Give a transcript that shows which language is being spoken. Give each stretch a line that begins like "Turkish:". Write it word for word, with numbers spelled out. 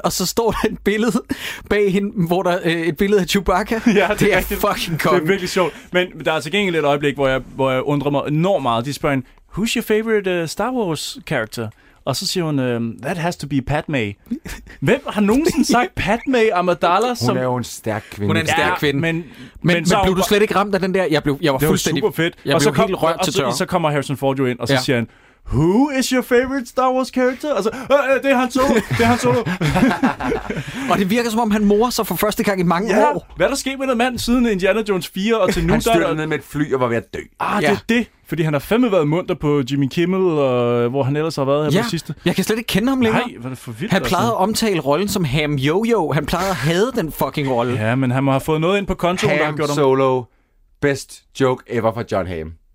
Danish: Og så står der et billede bag hende, hvor der er øh, et billede af Chewbacca. Ja, det, det er rigtig, fucking kongen. Det er virkelig sjovt. Men der er til gengæld et øjeblik, hvor jeg, hvor jeg undrer mig enormt meget. De spørger,
English: who's your favorite uh, Star Wars character?
Danish: Og så siger hun,
English: that has to be Padme.
Danish: Hvem har nogensinde sagt Padme Amidala? Hun som... er jo en stærk kvinde. Hun er en stærk ja, kvinde. Men, men, men, men blev du slet ikke ramt af den der? Jeg, blev, jeg var det fuldstændig... Det var super fedt. Jeg og blev så helt rørt til tør. Så kommer Harrison Ford jo ind, og så ja. siger han,
English: who is your favorite Star Wars character?
Danish: Og så, øh, det er Han Solo, det er Han Solo. Og det virker som om, han morer sig for første gang i mange ja. år. Hvad er der sket med den mand siden Indiana Jones fire og til nu? Han styrtede der... ned med et fly og var ved at dø. Ah, ja. det er det. Fordi han har fandme været munter på Jimmy Kimmel, og hvor han ellers har været her ja, på sidste. Jeg kan slet ikke kende ham længere. Nej, hvad er det for vildt. Han plejede at omtale rollen som Ham Yo-Yo. Han plejede at hade den fucking rolle. Ja, men han må have fået noget ind på kontoen, der har gjort ham. Ham Solo.
English: Best joke ever for John Hamm.